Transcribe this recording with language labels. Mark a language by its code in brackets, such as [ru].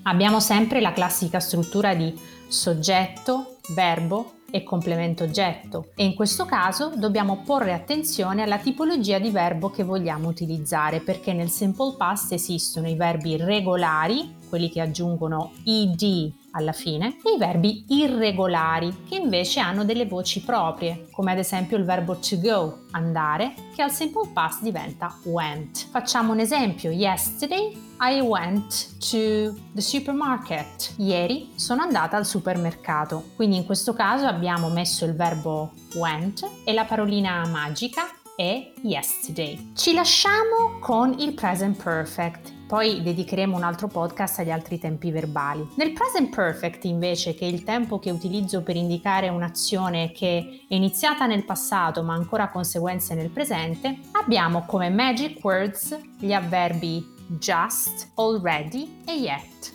[it] Abbiamo sempre la classica struttura di soggetto, verbo e complemento oggetto, e in questo caso dobbiamo porre attenzione alla tipologia di verbo che vogliamo utilizzare, perché nel simple past esistono i verbi regolari, quelli che aggiungono ed alla fine, e i verbi irregolari, che invece hanno delle voci proprie, come ad esempio il verbo to go, andare, che al simple past diventa went. Facciamo un esempio. [en] Yesterday I went to the supermarket. [it] Ieri sono andata al supermercato. Quindi in questo caso abbiamo messo il verbo went e la parolina magica è yesterday. Ci lasciamo con il present perfect. Poi dedicheremo un altro podcast agli altri tempi verbali. Nel present perfect, invece, che è il tempo che utilizzo per indicare un'azione che è iniziata nel passato ma ancora ha conseguenze nel presente, abbiamo come magic words gli avverbi just, already e yet.